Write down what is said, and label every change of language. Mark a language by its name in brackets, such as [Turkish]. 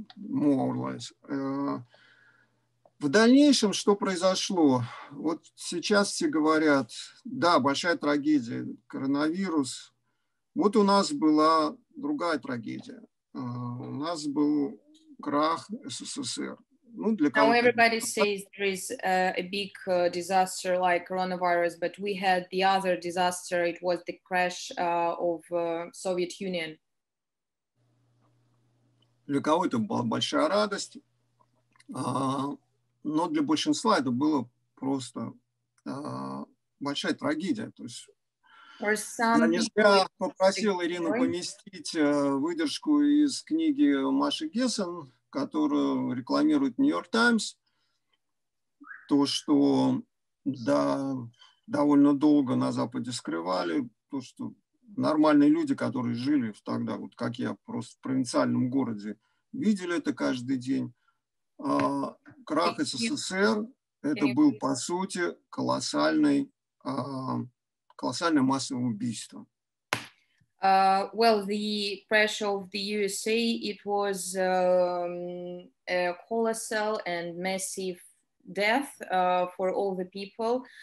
[English] More or less. [Russian] В дальнейшем что произошло? Вот сейчас все говорят, да, большая трагедия, коронавирус. Вот у нас была другая трагедия. У нас был крах СССР. Ну, для кого-то... [English] Now everybody says there is a big disaster like coronavirus, but we had the other disaster. It was the crash of Soviet Union. [Russian] Для кого это была большая радость, но для большинства это было просто большая трагедия. То есть я попросил Ирину поместить выдержку из книги Маши Гессен, которую рекламирует New York Times, то, что Да, довольно долго на Западе скрывали то, что нормальные люди, которые жили тогда, вот как я, просто в провинциальном городе, видели это каждый день. А крах СССР – это был, по сути, колоссальное массовое убийство. [English] Well, the pressure of the USA, it was a colossal and massive death for all the people.